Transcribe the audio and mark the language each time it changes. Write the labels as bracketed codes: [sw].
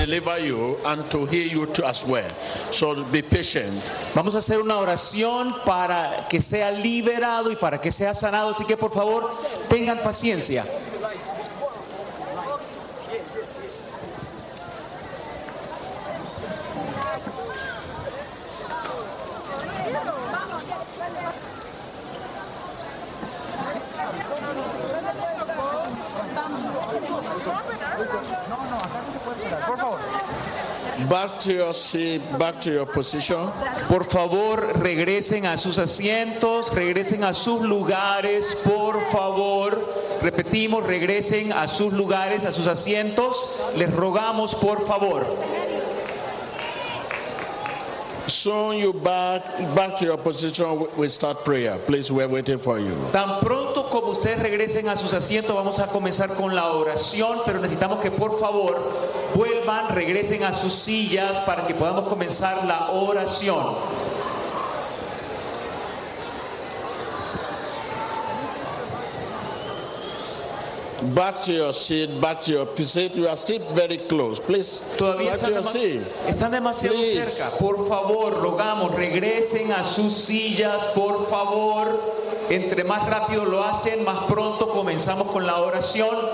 [en] You and to hear you too as well. So be patient. [es] Vamos a hacer una oración para que sea liberado y para que sea sanado. Así que por favor tengan paciencia. [en] Back to your position. [es] Por favor, regresen a sus asientos, regresen a sus lugares, por favor. Repetimos, regresen a sus lugares, a sus asientos. Les rogamos, por favor. [en] Soon you back to your position, we start prayer. Please, we are waiting for you. [es] Tan pronto como ustedes regresen a sus asientos, vamos a comenzar con la oración, pero necesitamos que, por favor, vuelvan, regresen a sus sillas para que podamos comenzar la oración. [en] Back to your seat, back to your seat. You are still very close. Please, back to your seat. [es] Están demasiado cerca. Por favor, rogamos, regresen a sus sillas, por favor. Entre más rápido lo hacen, más pronto comenzamos con la oración.